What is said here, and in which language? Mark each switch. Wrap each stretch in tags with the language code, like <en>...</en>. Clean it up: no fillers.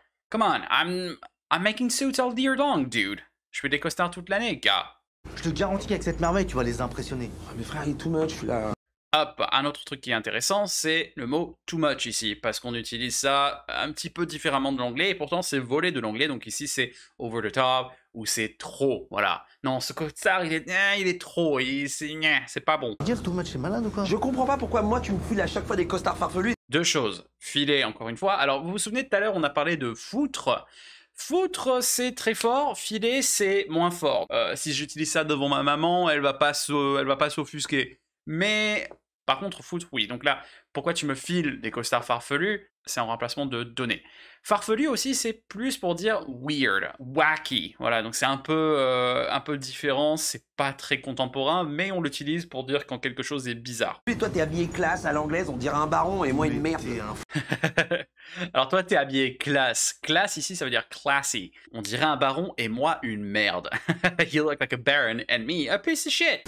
<en>Come on, I'm making suits all year long, dude.</en> <fr>Je fais des costards toute l'année, gars. Je te garantis qu'avec cette merveille, tu vas les impressionner. Oh, mais frère, il est too much, là. Hop, un autre truc qui est intéressant, c'est le mot « too much » ici, parce qu'on utilise ça un petit peu différemment de l'anglais, et pourtant c'est volé de l'anglais, donc ici c'est «</fr> <en>over the top</en> <fr>» ou c'est « trop », voilà. Non, ce costard, il est trop, c'est pas bon. Dire « too much », c'est malade ou quoi? Je comprends pas pourquoi moi tu me files à chaque fois des costards farfelus. Deux choses, filer encore une fois. Alors, vous vous souvenez, tout à l'heure, on a parlé de « foutre ». Foutre, c'est très fort, filer, c'est moins fort. Si j'utilise ça devant ma maman, elle va pas s'offusquer. Mais, par contre, foutre, oui. Donc là, pourquoi tu me files des costards farfelus? C'est en remplacement de données. Farfelu aussi, c'est plus pour dire</fr> <en>weird, wacky.</en> <fr>Voilà, donc c'est un peu différent, c'est pas très contemporain, mais on l'utilise pour dire quand quelque chose est bizarre. Et toi, t'es habillé classe à l'anglaise, on dirait un baron, et moi, mais une merde. Alors toi, t'es habillé classe. Classe ici, ça veut dire classy. On dirait un baron, et moi, une merde.</fr> <en>You look like a baron, and me, a piece of shit.</en>